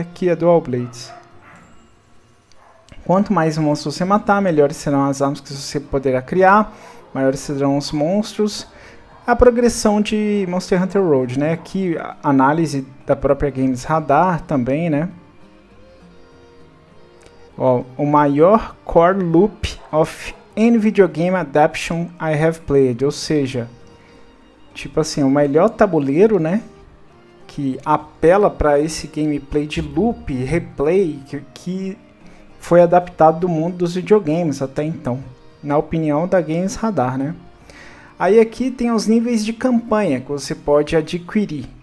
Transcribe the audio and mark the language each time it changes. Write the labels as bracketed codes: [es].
[pt] Aqui é Dual Blades. Quanto mais monstros você matar, melhores serão as armas que você poderá criar, maiores serão os monstros. A progressão de Monster Hunter World, né? Aqui, análise da própria Games Radar também, né? Ó, o maior [en] core loop of any video game adaption I have played. [pt] Ou seja, tipo assim, o melhor tabuleiro, né? Que apela para esse gameplay de loop, replay, que foi adaptado do mundo dos videogames até então, na opinião da Games Radar, né? Aí aqui tem os níveis de campanha que você pode adquirir.